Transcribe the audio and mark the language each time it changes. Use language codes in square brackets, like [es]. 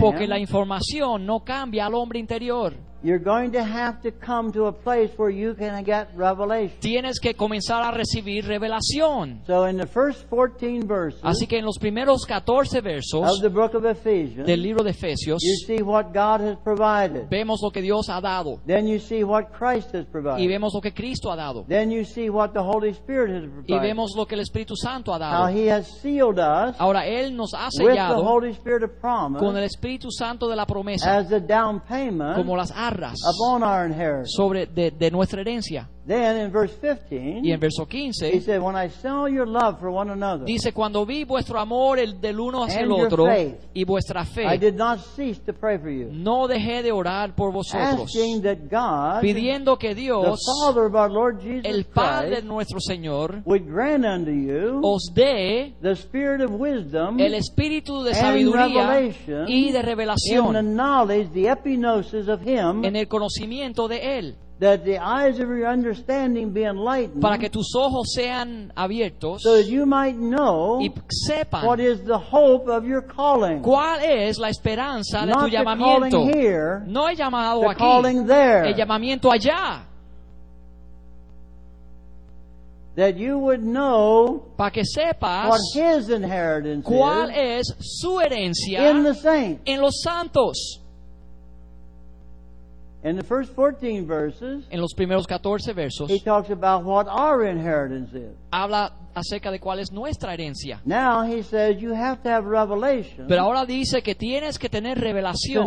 [es] porque la información no cambia al hombre interior. [en] You're going to have to come to a place where you can get revelation. [es] Tienes que comenzar a recibir revelación. [en] So in the first 14 verses, [es] así que en los primeros 14 versos [en] of the book of Ephesians, [es] del libro de Efesios, [en] you see what God has provided. [es] Vemos lo que Dios ha dado. [en] Then you see what Christ has provided. [es] Y vemos lo que Cristo ha dado. [en] Then you see what the Holy Spirit has provided. [es] Y vemos lo que el Espíritu Santo ha dado. [en] Now he has sealed us. [es] Ahora él nos ha sellado [en] with the Holy Spirit of promise, [es] con el Espíritu Santo de la promesa, [en] as a down payment, [es] como las arras [en] upon our inheritance, [es] sobre de nuestra herencia. [en] Then in verse 15, [es] y en verso 15, [en] he said, "When I saw your love for one another, [es] dice cuando vi vuestro amor el del uno hacia el otro y vuestra fe, [en] I did not cease to pray for you, [es] no dejé de orar por vosotros, [en] asking that God, [es] pidiendo que Dios, [en] the Father of our Lord Jesus [es] el Padre [en] Christ, [es] nuestro Señor, [en] would grant unto you, [es] os dé [en] the Spirit of wisdom, [es] el Espíritu de sabiduría y de revelación, [en] in the knowledge, the epinosis of Him, [es] en el conocimiento de él." [en] That the eyes of your understanding be enlightened, [es] para que tus ojos sean abiertos, [en] so that you might know, [es] y sepan, [en] what is the hope of your calling, [es] cuál es la esperanza de [en] not [es] tu llamamiento, [en] the calling here, [es] no el llamado [en] the [es] aquí, [en] calling there, [es] el llamamiento allá, [en] that you would know, [es] para que sepas, [en] what his inheritance [es] cuál [en] is, [es] es su herencia, [en] in the saints, [es] en los santos. [en] In the first 14 verses, [es] en los primeros 14 versos, [en] he talks about what our inheritance is. [es] Habla acerca de cuál es nuestra herencia. [en] Now he says you have to have revelation. [es] Pero ahora dice que tienes que tener revelación.